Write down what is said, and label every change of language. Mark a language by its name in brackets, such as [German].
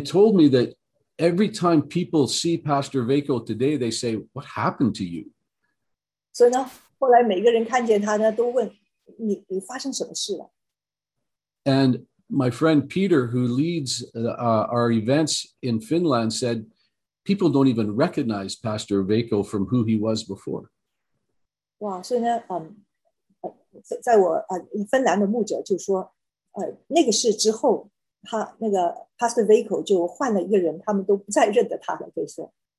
[English] told me that every time people see Pastor Vakil today, they say, what happened to you? [Chinese] 所以呢，后来每个人看见他呢，都问你发生什么事了。 [English] And my friend Peter, who leads our events in Finland, said, people don't even recognize Pastor Vakil from who he was before. Wow, so now, in Finland, the [Chinese] 牧者就说，那个事之后，他那个 Pastor Vakil 就换了一个人，他们都不再认得他了，可以说。